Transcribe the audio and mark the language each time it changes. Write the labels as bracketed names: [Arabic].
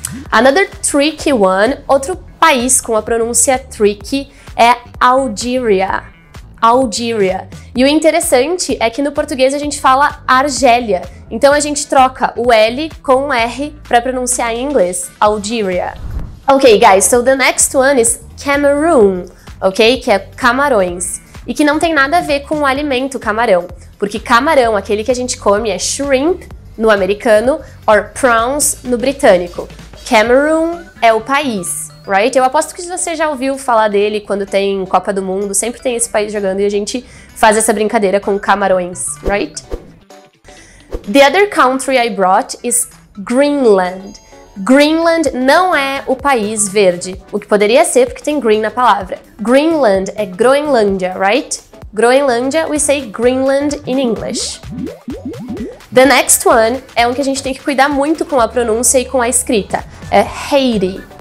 [English] Another tricky one, [Portuguese] outro país com a pronúncia tricky, é Algeria. Algeria. E o interessante é que no português a gente fala Argélia. Então a gente troca o L com o R para pronunciar em inglês, Algeria. [English] Ok, guys, so the next one is Cameroon, ok? [Portuguese] Que é camarões. E que não tem nada a ver com o alimento camarão. Porque camarão, aquele que a gente come, é shrimp no americano, or prawns no britânico. Cameroon é o país, right? Eu aposto que você já ouviu falar dele quando tem Copa do Mundo, sempre tem esse país jogando e a gente faz essa brincadeira com camarões, right? [English] The other country I brought is Greenland. [Portuguese] Greenland não é o país verde, o que poderia ser porque tem green na palavra. Greenland é Groenlândia, right? Groenlândia, [English] we say Greenland in English. The next one [Portuguese] é um que a gente tem que cuidar muito com a pronúncia e com a escrita. É Haiti.